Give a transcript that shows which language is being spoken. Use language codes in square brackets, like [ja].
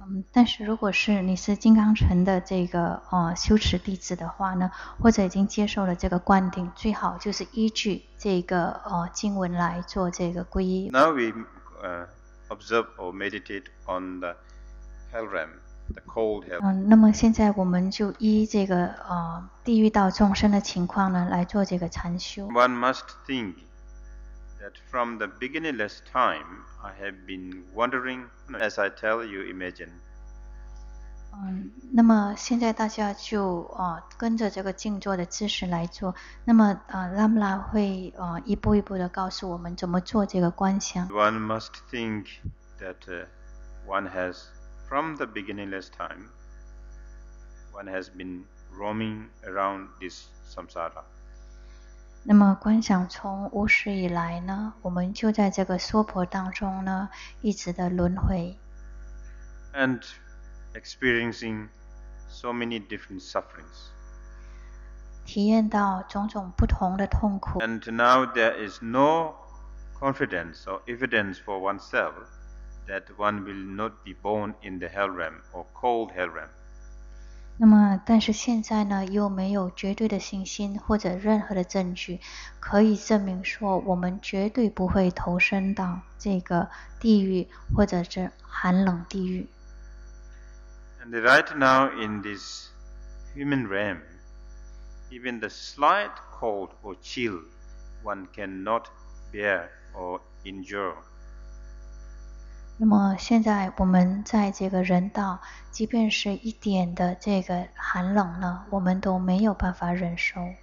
[zh] 但是如果是你是金刚城的这个修持弟子的话呢，或者已经接受了这个灌顶，最好就是依据这个经文来做这个皈依。 [en] Now we observe or meditate on the hell realm, the cold hell. [zh] 那么现在我们就依这个地狱道众生的情况呢来做这个禅修。 [en] One must think that from the beginningless time. I have been wondering, as I tell you, imagine. [zh] 那么现在大家就跟着这个静坐的姿势来做。那么Lamla会一步一步的告诉我们怎么做这个观想。 [en] One must think that one has, from the beginningless time, one has been roaming around this samsara. [zh] 那么观想从无始以来呢，我们就在这个娑婆当中呢一直的轮回。 [en] And experiencing so many different sufferings. [zh] 体验到种种不同的痛苦。 [en] And now there is no confidence or evidence for oneself that one will not be born in the hell realm or cold hell realm. [zh] 那么但是现在呢又没有绝对的信心或者任何的证据可以证明说我们绝对不会投身到这个地狱或者是寒冷地狱。 [en] And right now in this human realm, even the slight cold or chill one cannot bear or endure. [zh] 那么现在我们在这个人道即便是一点的这个寒冷呢我们都没有办法忍受。